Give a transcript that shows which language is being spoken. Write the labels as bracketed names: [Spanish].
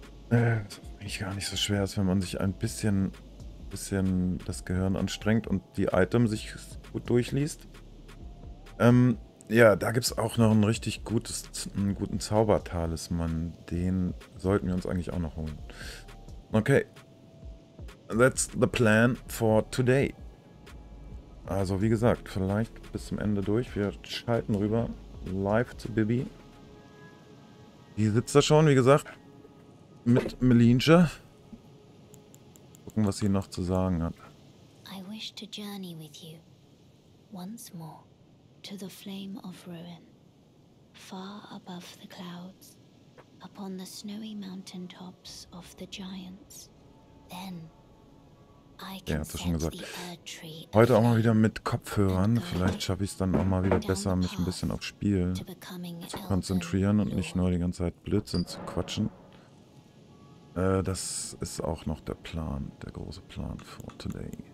[German] Das ist eigentlich gar nicht so schwer, als wenn man sich ein bisschen das Gehirn anstrengt und die Item sich gut durchliest. Ja, da gibt es auch noch ein richtig gutes, einen guten Zaubertalisman. Den sollten wir uns eigentlich auch noch holen. [English] Okay, that's the plan for today. [German] Also wie gesagt, vielleicht bis zum Ende durch. Wir schalten rüber live zu Bibi. Die sitzt da schon, wie gesagt, mit Melinche. Gucken, was sie noch zu sagen hat. [English] I wish to journey with you once more to the flame of ruin, far above the clouds, upon the snowy mountain tops of the giants. Then [German] ja, hast du schon gesagt. Heute auch mal wieder mit Kopfhörern. Vielleicht schaffe ich es dann auch mal wieder besser, mich ein bisschen aufs Spiel zu konzentrieren und nicht nur die ganze Zeit Blödsinn zu quatschen. Das ist auch noch der Plan, der große Plan [English] for today.